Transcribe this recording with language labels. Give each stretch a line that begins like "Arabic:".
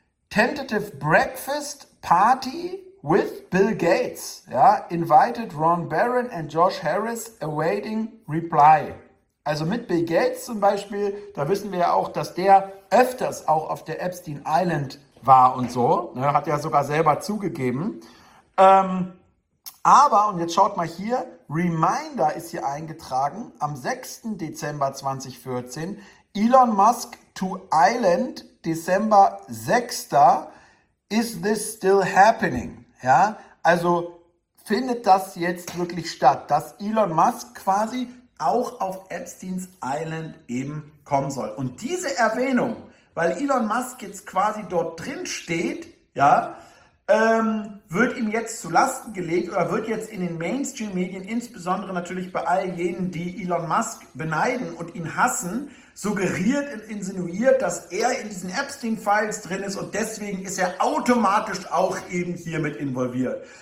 English: Tentative Breakfast Party with Bill Gates, ja, invited Ron Barron and Josh Harris, awaiting reply.
German: Also mit Bill Gates zum Beispiel, da wissen wir ja auch, dass der öfters auch auf der Epstein Island war und so, ne, hat ja sogar selber zugegeben. Aber, und jetzt schaut mal hier, Reminder ist hier eingetragen, am 6. Dezember 2014,
English: Elon Musk to Island,
German: Dezember 6.
English: Is this still happening?
German: Ja, also findet das jetzt wirklich statt, dass Elon Musk quasi auch auf Epsteins Island eben kommen soll? Und diese Erwähnung, weil Elon Musk jetzt quasi dort drin steht, ja, wird ihm jetzt zu Lasten gelegt oder wird jetzt in den Mainstream-Medien, insbesondere natürlich bei all jenen, die Elon Musk beneiden und ihn hassen, suggeriert und insinuiert, dass er in diesen Epstein-Files drin ist und deswegen ist er automatisch auch eben hier mit involviert.